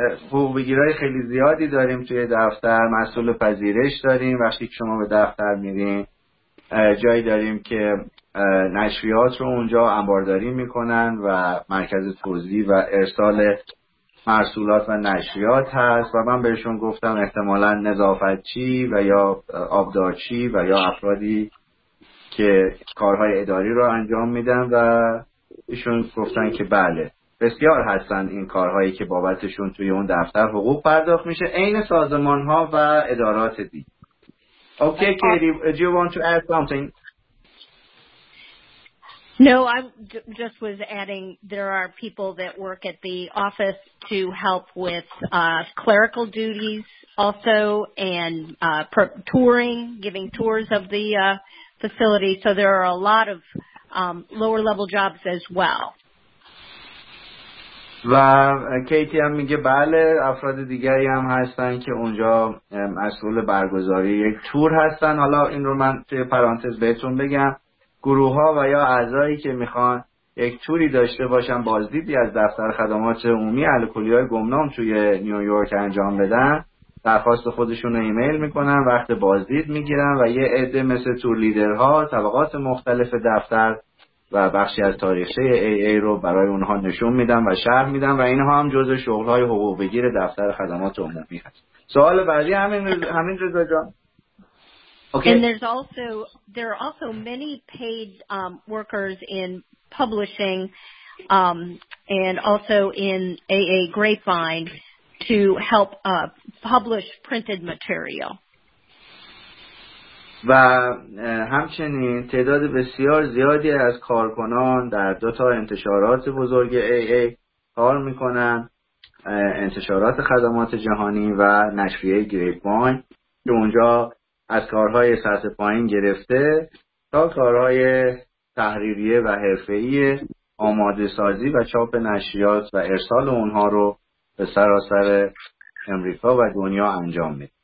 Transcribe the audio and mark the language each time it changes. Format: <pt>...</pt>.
<fa>حقوقبگیرای خیلی زیادی داریم توی دفتر، مسئول پذیرش داریم، وقتی شما به دفتر میرین جایی داریم که نشریات رو اونجا انبارداری میکنن و مرکز توزیع و ارسال محصولات و نشریات هست و من بهشون گفتم احتمالاً نظافتچی و یا آبدارچی و یا افرادی که کارهای اداری رو انجام میدن و ایشون گفتن که بله بسیار هستن این کارهایی که بابتشون توی اون دفتر حقوق پرداخت میشه عین سازمان‌ها و ادارات دیگه.</fa> <en>Okay, Katie, do you want to add something? No, I just was adding there are people that work at the office to help with clerical duties also and touring, giving tours of the facility, so there are a lot of lower level jobs as well.</en> <fa>و کیتی هم میگه بله افراد دیگری هم هستن که اونجا مسئول برگزاری یک تور هستن. حالا این رو من توی پرانتز بهتون بگم، گروه ها و یا اعضایی که میخوان یک توری داشته باشن، بازدیدی از دفتر خدمات عمومی الکلی‌های گمنام توی نیویورک انجام بدن، درخواست خودشون رو ایمیل میکنن، وقت بازدید میگیرن و یه عده مثل تور لیدرها طبقات مختلف دفتر و بخشی از تاریخچه AA رو برای اونها نشون میدن و شرح میدن و اینها هم جزء شغل‌های حقوق بگیر دفتر خدمات عمومی هست. سوال بعدی همین رضا جان.</fa> <en>Okay. And there are also many paid workers in publishing and also in AA Grapevine to help publish printed material.</en> <fa>و همچنین تعداد بسیار زیادی از کارکنان در دو تا انتشارات بزرگ AA کار میکنن، انتشارات خدمات جهانی و نشریه گریپوین که اونجا از کارهای سطح پایین گرفته تا کارهای تحریریه و حرفه‌ای آماده سازی و چاپ نشریات و ارسال اونها رو به سراسر امریکا و دنیا انجام میده.</fa>